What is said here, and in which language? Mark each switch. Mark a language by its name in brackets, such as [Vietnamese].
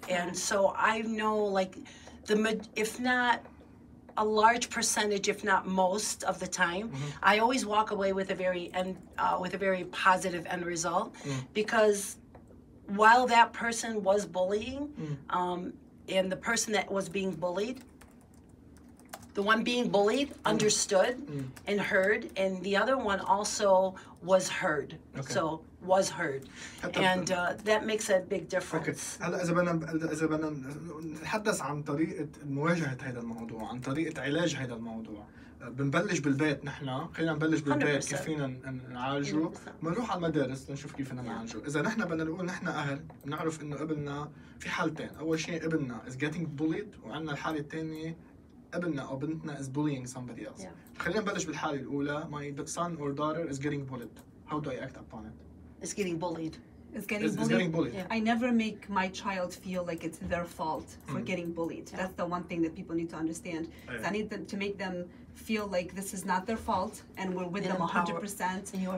[English] And so I know, like, the if not a large percentage, if not most of the time, I always walk away with a very positive end result, because while that person was bullying. And the person that was being bullied, the one being bullied understood and heard, and the other one also was heard. Okay. So was heard. And that makes a big difference. [Arabic] هلا إذا بدنا نتحدث عن طريقة مواجهة هذا الموضوع، عن طريقة علاج هذا الموضوع. بنبلش بالبيت نحن، خلينا نبلش بالبيت كيف فينا نعالجه، بنروح على المدارس لنشوف كيف فينا نعالجه. إذا نحن بدنا نقول نحن أهل بنعرف إنه ابننا في حالتين، أول شيء ابننا [English] is getting bullied، [Arabic] وعندنا الحالة الثانية ابننا أو بنتنا [English] is bullying somebody else. [Arabic] خلينا نبلش بالحالة الأولى، [English] my son or daughter is getting bullied. How do I act upon it? Is getting bullied. It's getting bullied. I never make my child feel like it's their fault for getting bullied. That's the one thing that people need to understand. I need them to make them feel like this is not their fault, and we're with them 100%.